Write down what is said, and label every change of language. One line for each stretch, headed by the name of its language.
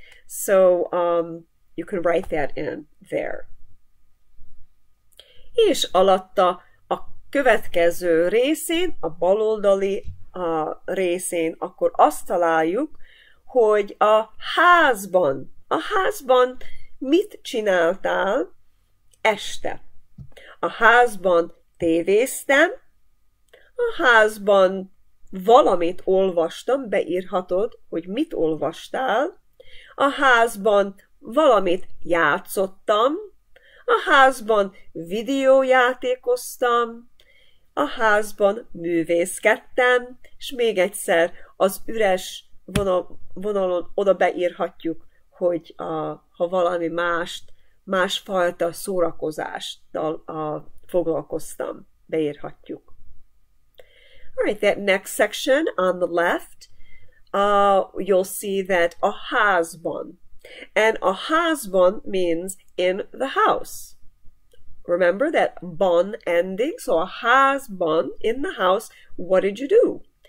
English: So you can write that in there.
Hungarian: És alatta a következő részén, a baloldali részén, akkor azt találjuk, hogy a házban mit csináltál este? A házban tévéztem, a házban valamit olvastam, beírhatod, hogy mit olvastál. A házban valamit játszottam, a házban videójátékoztam, a házban művészkedtem, és még egyszer az üres vonalon oda beírhatjuk, hogy ha valami mást, másfajta szórakozással foglalkoztam, beírhatjuk.
English: All right, that next section on the left, you'll see that a házban. And a házban means in the house. Remember that ban ending? So a házban, in the house, what did you do?